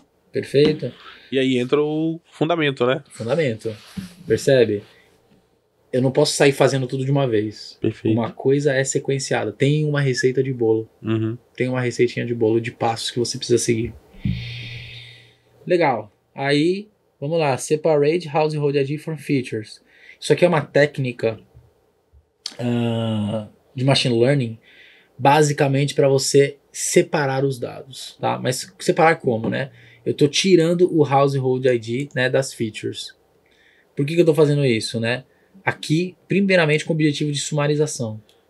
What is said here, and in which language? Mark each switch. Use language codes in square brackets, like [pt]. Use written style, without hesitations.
[pt] Perfeito? E aí entra o fundamento, né? Fundamento. Percebe? Eu não posso sair fazendo tudo de uma vez. Perfeito. Uma coisa é sequenciada. Tem uma receita de bolo. Uhum. Tem uma receitinha de bolo de passos que você precisa seguir. Legal. Aí, vamos lá. [en] Separate household ID from features. [pt] Isso aqui é uma técnica de machine learning, basicamente para você separar os dados. Tá? Mas separar como, né? Eu estou tirando o household ID, né, das features. Por que eu estou fazendo isso, né? Aqui, primeiramente, com o objetivo de sumarização.